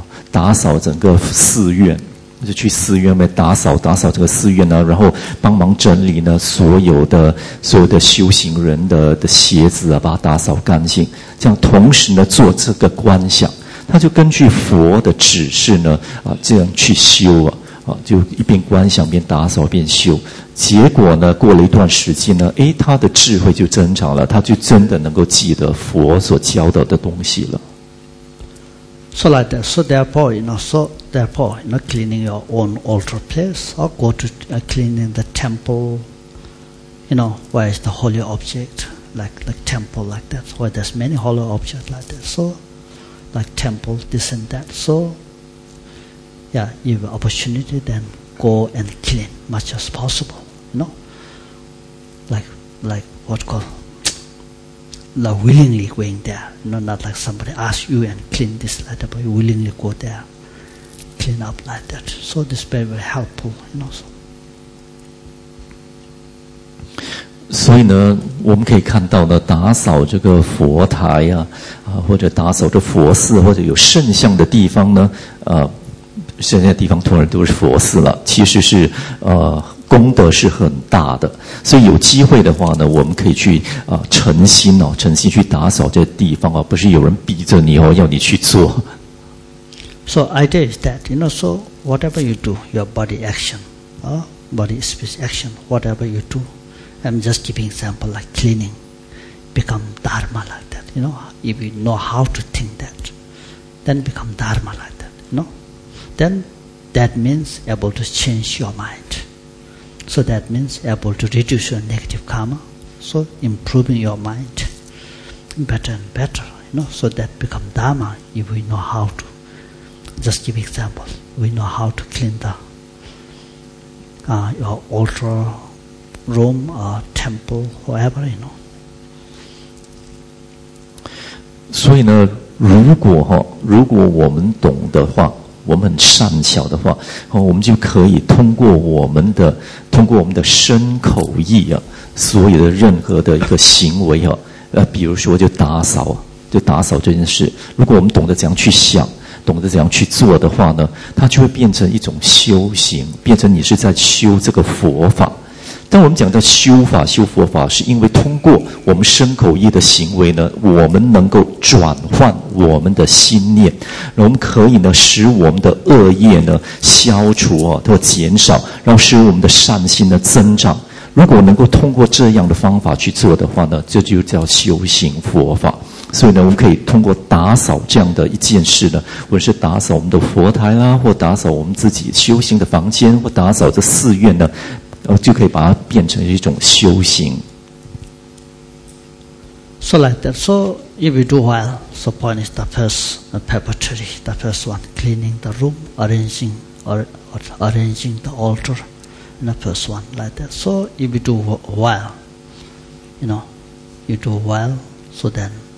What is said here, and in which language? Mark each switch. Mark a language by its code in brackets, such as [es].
[zh] 打扫整个寺院，就去寺院里面打扫这个寺院呢，然后帮忙整理呢所有的修行人的鞋子啊，把它打扫干净，这样同时呢做这个观想。他就根据佛的指示呢这样去修啊。就一边观想边打扫边修，结果呢过了一段时间呢，诶，他的智慧就增长了，他就真的能够记得佛所教导的东西了。 [en] So like that, so therefore, you know, so therefore, you know, cleaning your own altar place or go to cleaning the temple, you know, where is the holy object, like the temple like that, where there's many holy objects like that, so like temple, this and that, soYeah, if opportunity, then go and clean much as possible, you know? Like what called, like willingly going there, you know, not like somebody ask you and clean this like that, but you willingly go there, clean up like that. So this is very, very helpful, you know? So. [zh] 所以呢，我们可以看到呢，打扫这个佛台啊，或者打扫这佛寺，或者有圣像的地方呢，现在地方通常都是佛寺了，其实是功德是很大的，所以有机会的话呢，我们可以去诚心哦，诚心去打扫这地方哦，不是有人逼着你哦，要你去做。 [en] So idea is that, you know, so whatever you do, your body action, body speech action, whatever you do, I'm just giving example like cleaning, become dharma like that, you know, if you know how to think that, then become dharma like that, you know. Then that means able to change your mind. So that means able to reduce your negative karma. So improving your mind better and better, you know. So that becomes dharma if we know how to. Just give example. We know how to clean the your altar room or temple, whatever, you know. [zh] So, 呢，如果我们懂的话，我们很善巧的话，我们就可以通过我们的身口意啊，所有的任何的一个行为啊，比如说就打扫这件事，如果我们懂得怎样去想，懂得怎样去做的话呢，它就会变成一种修行，变成你是在修这个佛法。但我们讲到修法、修佛法，是因为通过我们身口意的行为呢，我们能够转换我们的心念，我们可以呢使我们的恶业呢消除啊，或减少，然后使我们的善心呢增长。如果能够通过这样的方法去做的话呢，这就叫修行佛法。所以呢，我们可以通过打扫这样的一件事呢，或者是打扫我们的佛台啦，或打扫我们自己修行的房间，或打扫这寺院呢。就可以把它变成一种修行。 [en] So like that. So if you do well, so point is the first preparatory, the first one, cleaning the room, arranging or arranging the altar, in the first one like that. So if you do well, you know, you do well, so then,